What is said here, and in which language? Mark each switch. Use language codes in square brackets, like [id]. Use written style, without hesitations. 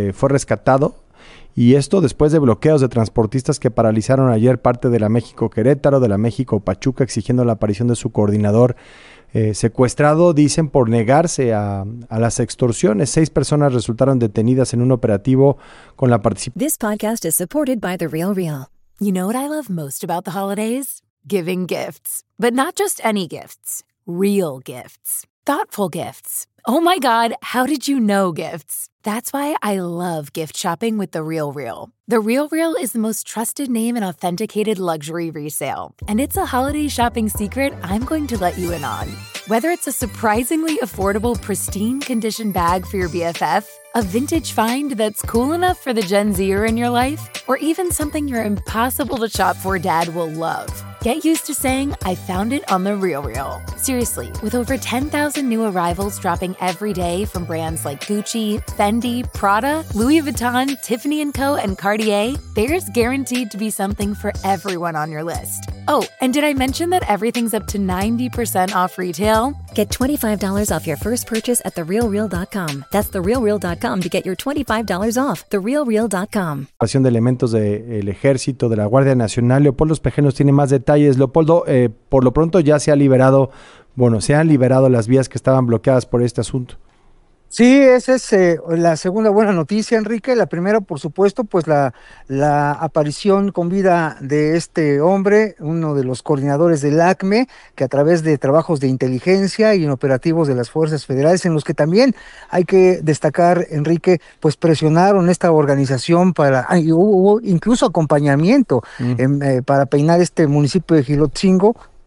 [es] Fue rescatado, y esto después de bloqueos de transportistas que paralizaron ayer parte de la México-Querétaro, de la México-Pachuca, exigiendo la aparición de su coordinador secuestrado, dicen, por negarse a las extorsiones. Seis personas resultaron detenidas en un operativo con la participación. [en] This podcast is supported by The Real Real. You know what I love most about the holidays? Giving gifts. But not just any gifts. Real gifts. Thoughtful gifts. Oh my God, how did you know gifts? That's why I love gift shopping with The Real Real. The Real Real is the most trusted name in authenticated luxury resale. And it's a holiday shopping secret I'm going to let you in on. Whether it's a surprisingly affordable pristine condition bag for your BFF, a vintage find that's cool enough for the Gen Zer in your life, or even something your impossible to shop for dad will love. Get used to saying, I found it on The Real Real. Seriously, with over 10,000 new arrivals dropping every day from brands like Gucci, Fendi, Prada, Louis Vuitton, Tiffany & Co., and Cartier, there's guaranteed to be something for everyone on your list. Oh, and did I mention that everything's up to 90% off retail? Get $25 off your first purchase at TheRealReal.com. That's TheRealReal.com to get your $25 off. TheRealReal.com. [es] Pasión de elementos del Ejército, de la Guardia Nacional. Leopoldo Espejel nos tiene más detalles. Leopoldo, por lo pronto ya se ha liberado, bueno, se han liberado las vías que estaban bloqueadas por este asunto. Sí, esa es la segunda buena noticia, Enrique. La primera, por supuesto, pues la aparición con vida de este hombre, uno de los coordinadores del ACME, que a través de trabajos de inteligencia y en operativos de las fuerzas federales, en los que también hay que destacar, Enrique, pues presionaron esta organización para, y hubo incluso acompañamiento para peinar este municipio de Jilotzingo,